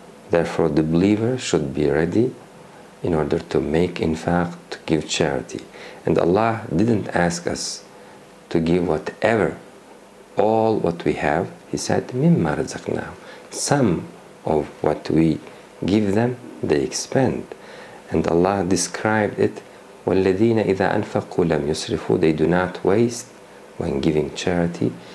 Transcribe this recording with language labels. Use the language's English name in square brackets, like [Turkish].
[English] Therefore the believer should be ready in order to make infaq, to give charity. And Allah didn't ask us to give whatever, all what we have. He said, [Arabic] mimma razaqnahum. [English] Some of what we give them, they expend. [Arabic] And Allah described it, وَالَّذِينَ إِذَا أَنْفَقُوا لَمْ يُسْرِفُوا. [English] They do not waste when giving charity.